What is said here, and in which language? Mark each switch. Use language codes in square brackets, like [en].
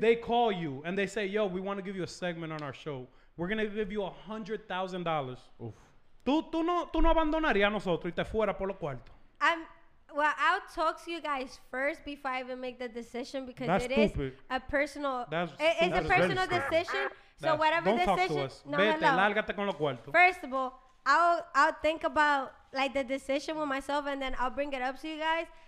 [en] They call you and they say, yo, we want to give you a segment on our show. We're going to give you $100,000. Oof. [es] Tú no abandonarías a nosotros y te fuera por los cuartos. [en] Well, I'll talk to you guys first before I even make the decision because it is a personal decision. So whatever decision, don't talk to us. First of all, I'll think about like the decision with myself and then I'll bring it up to you guys